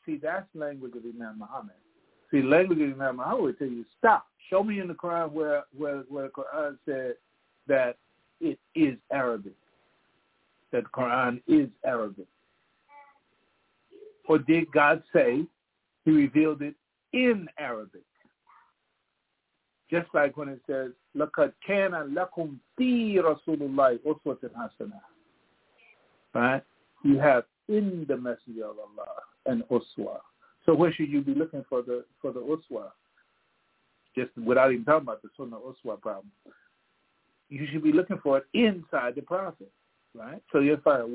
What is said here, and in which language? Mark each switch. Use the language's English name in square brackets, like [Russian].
[English] See, that's language of Imam Muhammad. See, language of Imam Muhammad would tell you, stop. Show me in the Quran where the Quran said that it is Arabic, that the Quran is Arabic. Or did God say, He revealed it in Arabic. Just like when it says, [Arabic] لَقَدْ كَانَ لَكُمْ فِي رَسُولُ اللَّهِ أُسْوَةٍ حَسَنَةٍ. [English] Right? You have in the Messenger of Allah an uswa. So where should you be looking for the uswa? Just without even talking about the sunnah uswa problem. You should be looking for it inside the Prophet. Right? So you're fine.